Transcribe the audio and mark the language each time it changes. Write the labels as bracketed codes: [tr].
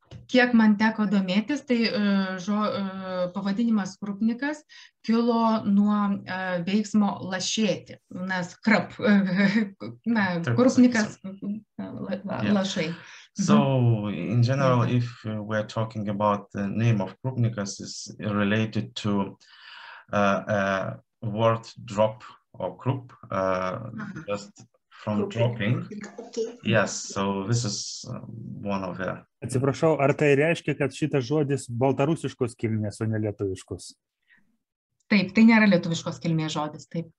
[lt] Kiek man teko domėtis, tai pavadinimas krupnikas kilo nuo veiksmo lašėti, nes krap, krupnikas lašai. [en] So, in general, if we're talking about the name of krupnikas, is related to a word drop or krup, just from krupnik. Dropping. Okay. Yes, so this is one of the... [lt] Atsiprašau, ar tai reiškia, kad šitas žodis baltarusiškos kilmės, o ne lietuviškos? Taip, tai nėra lietuviškos kilmės žodis, taip.